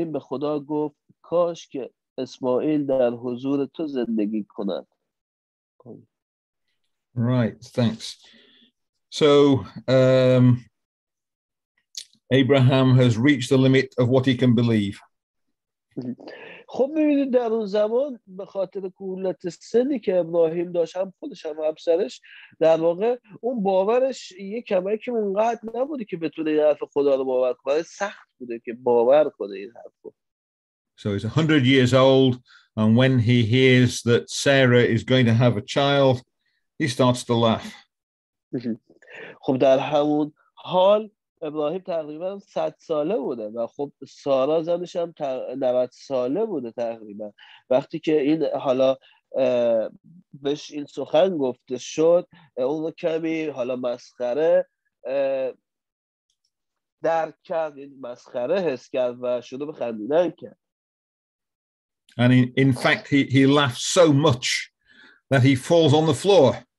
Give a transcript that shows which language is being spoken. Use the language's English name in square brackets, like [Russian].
[English] Verse 17 and 18, if you could read those for us. [Persian] اسماعیل در حضور تو زندگی کند. [English] Right, thanks. So, Abraham has reached the limit of what he can believe. [Persian] خب می‌بینید در اون زمان به خاطر کهولت سنی که ابراهیم داشت هم خودش هم همسرش در واقع اون باورش یه کمکی اونقدر نبوده که بتونه این حرف خدا رو باور کنه. سخت بوده که باور کنه این حرف رو. [English] So he's 100 years old, and when he hears that Sarah is going to have a child, he starts to laugh. [Persian] خب در همون حال ابراهیم تقریبا 100 ساله بوده و خب سارا زنش هم 90 ساله بوده تقریبا. وقتی که این حالا بهش این سخن گفته شد، اون کمی حالا مسخره درک کرد، این مسخره حس کرد و شروع به خندیدن کرد. [English] And in fact, he laughs so much that he falls on the floor.